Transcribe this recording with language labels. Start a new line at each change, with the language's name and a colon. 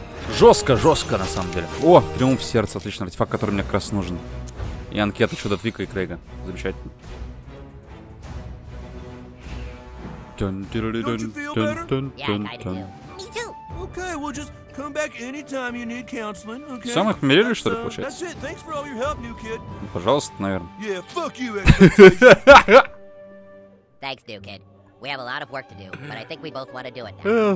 Russian: Жестко на самом деле. О, триумф сердца, отлично, артефакт, который мне как раз нужен. И анкета чудо Твика и Крейга. Замечательно.
English: Okay, we'll just come back anytime you need counseling, okay?
Russian: Сам их помирили, что ли, получается?
English: That's it. Thanks for all your help, new kid.
Russian: Ну, пожалуйста, наверное.
English: Yeah, fuck you, expectation. Thanks, new kid. We have a lot of work to do, but I think we both want to do it now.